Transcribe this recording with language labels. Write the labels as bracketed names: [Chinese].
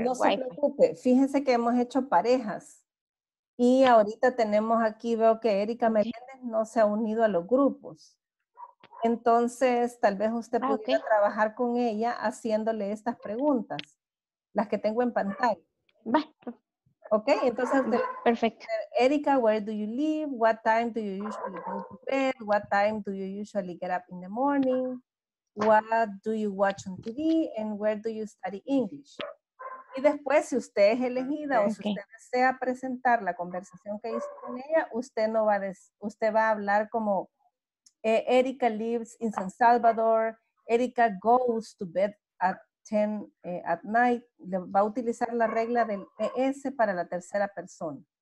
[Spanish] no se preocupe, fíjense que hemos hecho parejas y ahorita tenemos aquí, veo que Erika Meléndez no se ha unido a los grupos. Entonces, tal vez usted pudiera trabajar con ella haciéndole estas preguntas, las que tengo en pantalla. Va. Ok, entonces usted, perfecto. [English] Erika, where do you live? What time do you usually go to bed? What time do you usually get up in the morning? What do you watch on TV and where do you study English? [Spanish] Y después, si usted es elegida o si usted desea presentar la conversación que hizo con ella, usted va a hablar como [English] Erika lives in San Salvador. Erika goes to bed at 10 at night. [Spanish] Le va a utilizar la regla del ES para la tercera persona.